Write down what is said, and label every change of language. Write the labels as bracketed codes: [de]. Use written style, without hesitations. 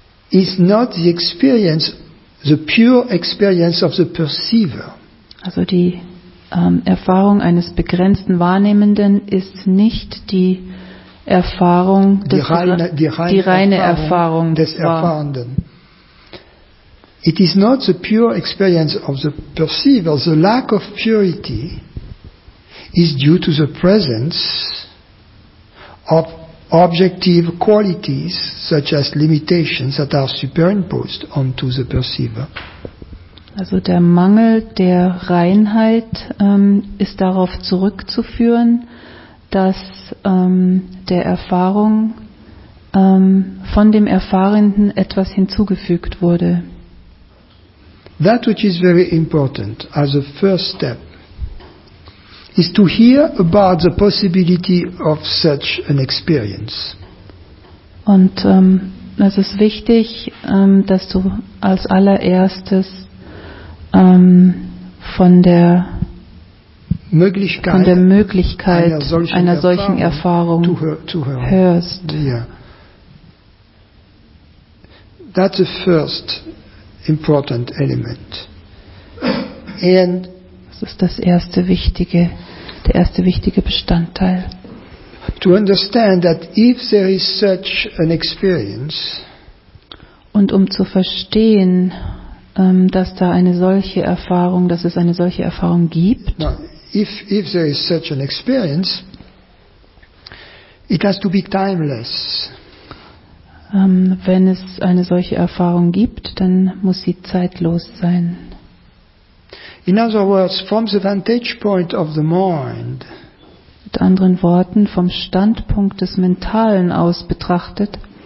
[en] is not the experience, the pure experience of the perceiver. [de] Also die Erfahrung eines begrenzten Wahrnehmenden ist nicht die Erfahrung, die reine Erfahrung des Erfahrenden. [en] It is not the pure experience of the perceiver. The lack of purity is due to the presence of objective qualities such as limitations that are superimposed onto the perceiver. [de] Also der Mangel der Reinheit ist darauf zurückzuführen, dass der Erfahrung von dem Erfahrenden etwas hinzugefügt wurde. [en] That which is very important as a first step is to hear about the possibility of such an experience. [de] Und es ist wichtig, dass du als allererstes von der Möglichkeit einer solchen Erfahrung hörst. [en] Yeah. That's the first important element. And [de] das ist das erste wichtige, der erste wichtige Bestandteil. [en] To understand that if there is such an experience, [de] und um zu verstehen, dass da eine solche Erfahrung, dass es eine solche Erfahrung gibt. [en] Now, if there is such an experience, it has to be timeless. [de] Wenn es eine solche Erfahrung gibt, dann muss sie zeitlos sein. [en] In other words, from the vantage point of the mind. [de] Mit anderen Worten, vom Standpunkt des Mentalen aus betrachtet.